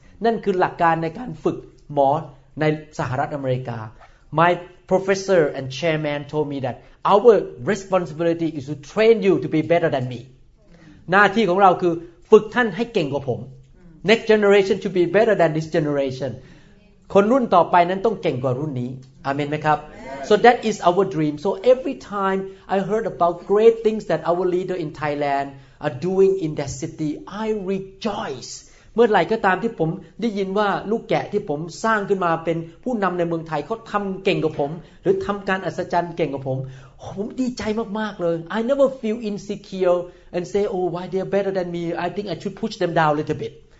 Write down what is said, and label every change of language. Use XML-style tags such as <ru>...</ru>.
<th>นั่นคือหลักการในการฝึกหมอในสหรัฐอเมริกา</th> <en>My professor and chairman told me that our responsibility is to train you to be better than me</en> <th>หน้าที่ของเราคือฝึกท่านให้เก่งกว่าผม</th> <en>Next generation should be better than this generation</en> <th>คนรุ่นต่อไปนั้นต้องเก่งกว่ารุ่นนี้</th> <en>Amen, ไหมครับ So that is our dream. So every time I heard about great things that our leader in Thailand are doing in that city, I rejoice.</en> <th>เมื่อไหร่ก็ตามที่ผมได้ยินว่าลูกแกะที่ผมสร้างขึ้นมาเป็นผู้นำในเมืองไทยเขาทำเก่งกว่าผมหรือทำการอัศจรรย์เก่งกว่าผมผมดีใจมากๆเลย</th> <en>I never feel insecure and say, oh, why they're better than me? I think I should push them down a little bit.</en>